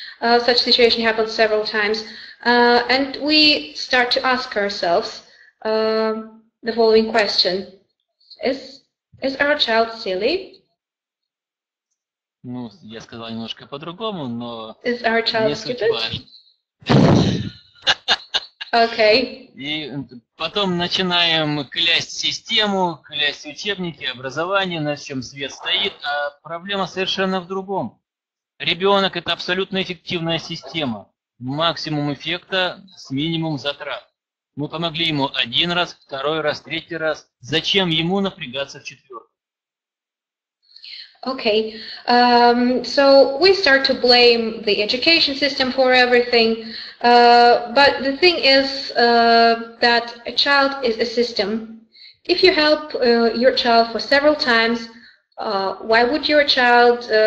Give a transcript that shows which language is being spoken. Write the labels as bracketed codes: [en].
[en] Such situation happens several times, and we start to ask ourselves the following question: Is our child silly? [ru] Ну, я сказал немножко по-другому, но [en] is our child [ru] не [en] stupid? Okay. [ru] И потом начинаем клясть систему, клясть учебники, образование, на чем свет стоит, а проблема совершенно в другом. Ребенок – это абсолютно эффективная система. Максимум эффекта с минимум затрат. Мы помогли ему один раз, второй раз, третий раз. Зачем ему напрягаться в четвертый? [en] Okay. So we start to blame the education system for everything. But the thing is that a child is a system. If you help your child for several times, why would your child...